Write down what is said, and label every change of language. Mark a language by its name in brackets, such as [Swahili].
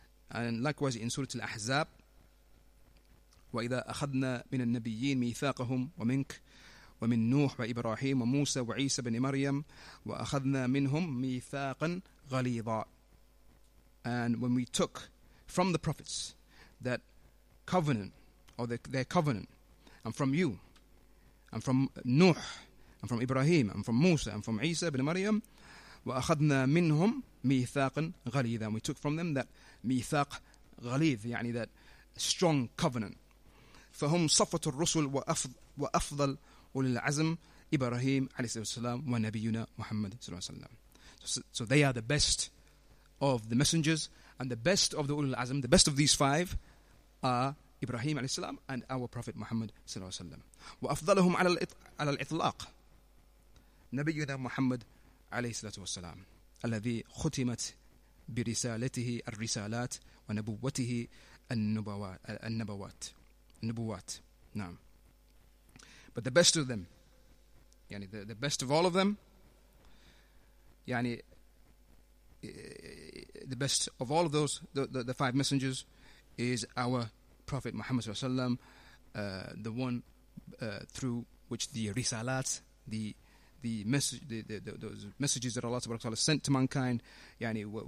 [English] And likewise in Surah Al-Ahzab, [Arabic] وإذا أخذنا من النبيين ميثاقهم ومنك ومن نوح وإبراهيم وموسى وعيسى بن مريم وأخذنا منهم ميثاقا غليظا. [English] And when we took from the prophets that covenant, or their covenant, and from you, and from نوح, and from Ibrahim, and from Musa, and from Isa bin Maryam, [Arabic] وأخذنا منهم ميثاقا غليظا. [English] And we took from them that [Arabic] ميثاق غليظ, [English] يعني that strong covenant. [Arabic] فهم صفة الرسل وأفضل أولي العزم إبراهيم عليه السلام ونبينا محمد صلى الله عليه وسلم. So they are the best of the messengers, and the best of the أولي العزم, the best of these five are إبراهيم عليه السلام and our Prophet Muhammad صلى الله عليه وسلم. وأفضلهم على الإطلاق نبينا محمد عليه الصلاة والسلام الذي ختمت برسالته الرسالات ونبوته النبوات. Nubuwat. Naam. [English] But the best of them, yani the best of all of them, yani the best of all of those, the five messengers, is our Prophet Muhammad sallallahu alaihi wasallam, the one through which the risalat, the messages that Allah subhanahu wa ta'ala sent to mankind, yani